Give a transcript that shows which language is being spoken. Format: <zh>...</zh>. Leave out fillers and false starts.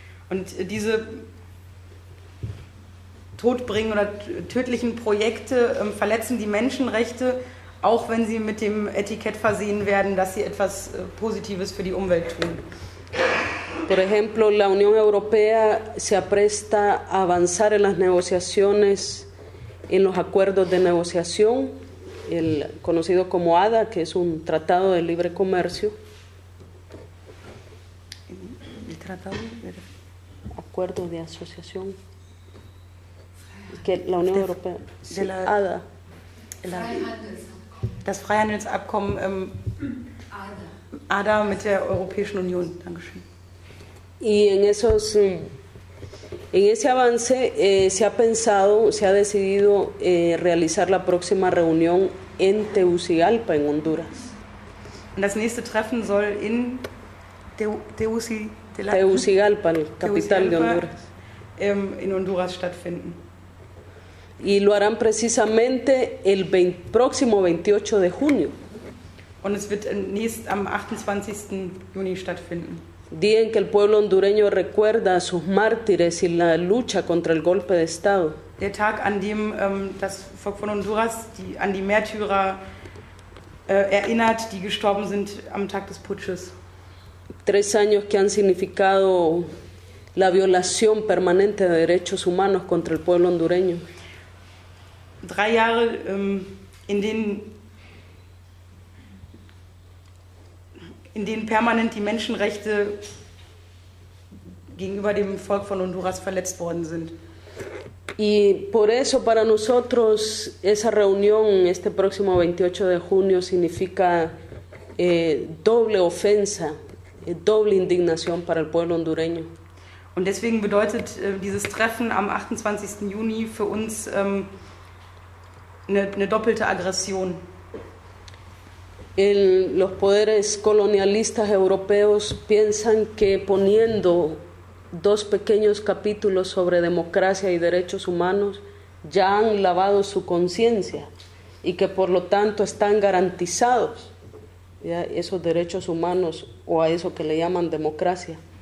<de>Und diese todbringen oder tödlichen Projekte verletzen die Menschenrechte, auch wenn sie mit dem Etikett versehen werden, dass sie etwas Positives für die Umwelt tun.</de> <es>Por ejemplo, la Unión Europea se apresta a avanzar en las negociaciones, en los acuerdos de negociación, el conocido como ADA, que es un tratado de libre comercio. ¿El tratado? Acuerdo de asociación. Que la Unión Europea... Sí, la, ADA.</es> <de>La, das Freihandelsabkommen ADA mit der Europäischen Union. Dankeschön.</de> <es>Y en esos, en ese avance se ha pensado, se ha decidido realizar la próxima reunión en Tegucigalpa, en Honduras.</es> <de>Und das nächste Treffen soll in</de> <es>Tegucigalpa, la capital de Honduras,</es> <de>in Honduras stattfinden.</de> <es>Y lo harán precisamente el próximo 28 de junio.</es> <de>Und es wird am 28. Juni stattfinden.</de> <es>Día en que el pueblo hondureño recuerda a sus mártires y la lucha contra el golpe de Estado.</es> <de>Der Tag, an dem das Volk von Honduras an die Märtyrer erinnert, die gestorben sind am Tag des Putsches.</de> <es>Tres años que han significado la violación permanente de derechos humanos contra el pueblo hondureño.</es> <de>Drei Jahre, in denen permanent die Menschenrechte gegenüber dem Volk von Honduras verletzt worden sind.</de> <es>Y por eso para nosotros esa reunión este próximo 28 de junio significa doble ofensa, doble indignación para el pueblo hondureño.</es> <de>Und deswegen bedeutet dieses Treffen am 28. Juni für uns eine doppelte Aggression.</de> <es>Los poderes colonialistas europeos piensan que poniendo dos pequeños capítulos sobre democracia y derechos humanos ya han lavado su conciencia y que por lo tanto están garantizados ya, esos derechos humanos o a eso que le llaman democracia.</es>